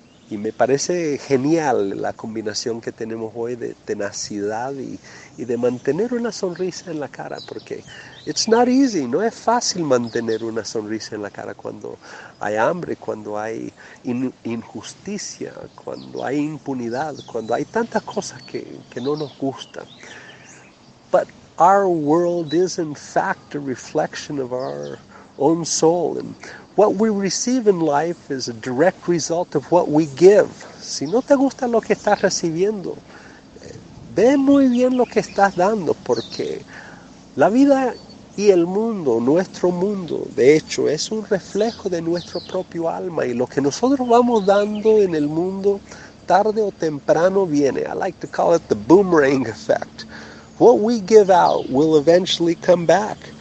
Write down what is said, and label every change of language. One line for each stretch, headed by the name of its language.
Spanish: Y me parece genial la combinación que tenemos hoy de tenacidad y de mantener una sonrisa en la cara, porque
English: it's not easy,
Spanish: no es fácil mantener una sonrisa en la cara cuando hay hambre, cuando hay injusticia, cuando hay impunidad, cuando hay tantas cosas que no nos gustan.
English: But our world is in fact a reflection of our own soul, and what we receive in life is a direct result of what we give.
Spanish: Si no te gusta lo que estás recibiendo, ve muy bien lo que estás dando, porque la vida y el mundo, nuestro mundo, de hecho, es un reflejo de nuestro propio alma, y lo que nosotros vamos dando en el mundo, tarde o temprano viene.
English: I like to call it the boomerang effect. What we give out will eventually come back.